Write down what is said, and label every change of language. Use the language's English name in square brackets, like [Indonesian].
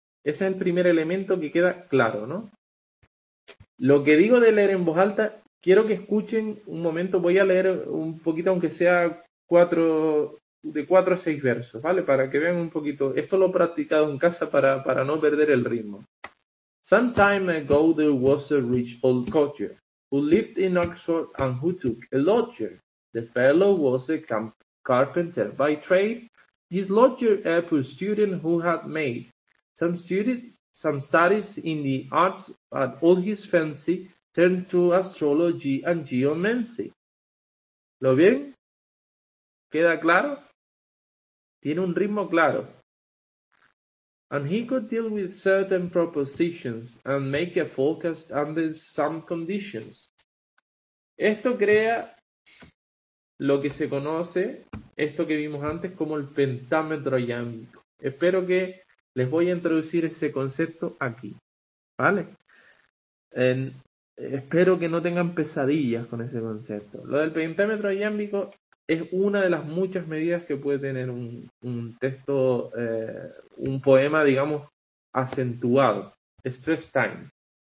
[Spanish] Ese es el primer elemento que queda claro, ¿no? Lo que digo de leer en voz alta, quiero que escuchen un momento, voy a leer un poquito, aunque sea de 4 a 6 versos, ¿vale? Para que vean un poquito. Esto lo he practicado en casa para no perder el ritmo. [English] Some time ago there was a rich old codger who lived in Oxford and who took a lodger. The fellow was a camp carpenter by trade, his lodger a poor student who had made some studies in the arts, but all his fancy turned to astrology and geomancy. [Spanish] ¿Lo bien? ¿Queda claro? Tiene un ritmo claro. [English] And he could deal with certain propositions and make a forecast under some conditions. [Spanish] Esto crea lo que se conoce, esto que vimos antes, como el pentámetro iámbico. Espero que les voy a introducir ese concepto aquí. Vale. Espero que no tengan pesadillas con ese concepto. Lo del pentámetro iámbico es una de las muchas medidas que puede tener un texto, un poema, digamos, acentuado. Stress time.